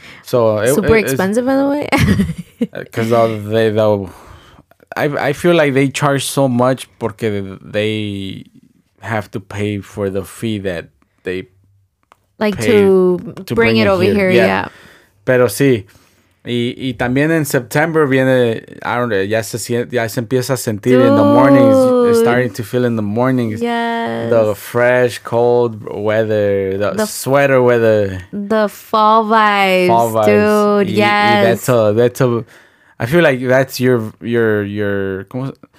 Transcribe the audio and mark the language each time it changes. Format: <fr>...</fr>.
<en>so super expensive, by the way. Because I feel like they charge so much because they have to pay for the fee that they like pay to bring it over here. Yeah,</en> <es>pero sí. Y también en September viene,</es> <en>I don't know,</en> <es>ya se empieza a sentir.</es> <en>Dude. In the mornings, starting to feel in the mornings. Yes. The fresh, cold weather, the sweater weather. The fall vibes. Fall vibes. Dude, yes. I feel like that's your, ¿cómo?</en>